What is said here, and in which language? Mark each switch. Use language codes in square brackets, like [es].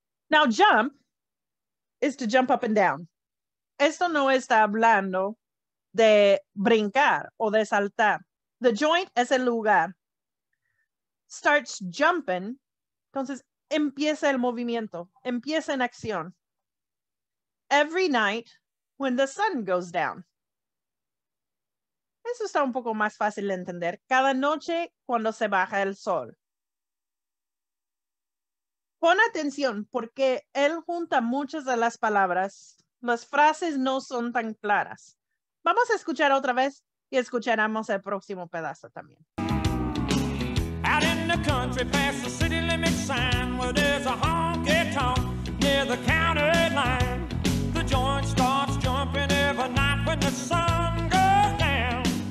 [en] Now, jump is to jump up and down. [es] Esto no está hablando de brincar o de saltar. [en] The joint [es] es el lugar. [en] Starts jumping. [es] Entonces, empieza el movimiento. Empieza en acción. [en] Every night when the sun goes down. [es] Eso está un poco más fácil de entender. Cada noche cuando se baja el sol. Pon atención porque él junta muchas de las palabras. Las frases no son tan claras. Vamos a escuchar otra vez y escucharemos el próximo pedazo también. [en] Out in the country past the city limit sign where there's a honky-tonk near the county line. The joint starts jumping every night when the sun goes down.